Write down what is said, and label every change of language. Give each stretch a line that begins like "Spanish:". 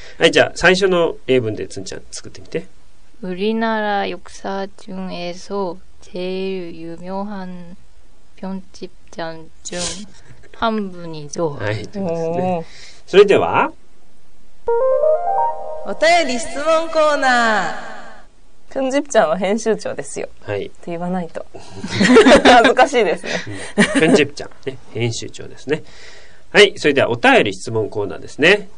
Japanese: はい、じゃあ最初の英文でつんちゃん作ってみて。
Korean: 우리나라역사중에서제일유명한편집장중한분이죠
Japanese: はい、ってことですね。それではお便り質問コーナー、くんじぷちゃんは編集長ですよ、はい、って言わないと恥ずかしいですね、うん、くんじぷちゃん、ね、編集長ですね。はい、それではお便り質問コーナーですね。